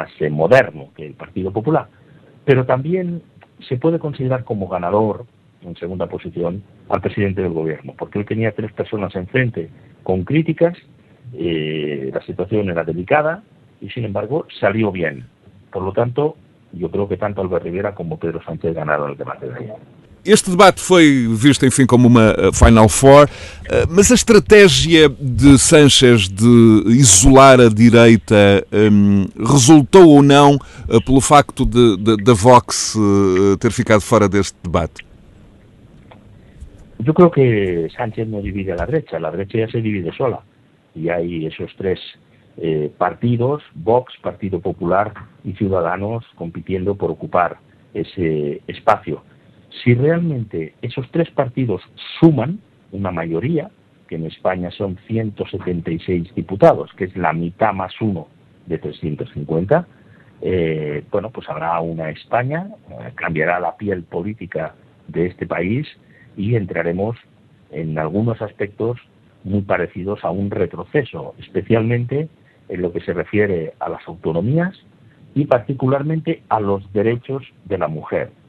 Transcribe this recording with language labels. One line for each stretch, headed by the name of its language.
Spanish: Moderno que el Partido Popular. Pero también se puede considerar como ganador, en segunda posición, al presidente del gobierno, porque él tenía tres personas enfrente con críticas, la situación era delicada y, sin embargo, salió bien. Por lo tanto, yo creo que tanto Albert Rivera como Pedro Sánchez ganaron el debate de ayer.
Portuguese: Este debate foi visto, enfim, como uma Final Four, mas a estratégia de Sánchez de isolar a direita resultou ou não pelo facto da Vox ter ficado fora deste debate? Eu creo que Sánchez não divide a derecha já se divide sola. E há esses três partidos, Vox, Partido Popular e Ciudadanos, compitiendo por ocupar esse espaço.
Spanish: Si realmente esos tres partidos suman una mayoría, que en España son 176 diputados, que es la mitad más uno de 350, bueno, pues habrá una España, cambiará la piel política de este país y entraremos en algunos aspectos muy parecidos a un retroceso, especialmente en lo que se refiere a las autonomías y particularmente a los derechos de la mujer.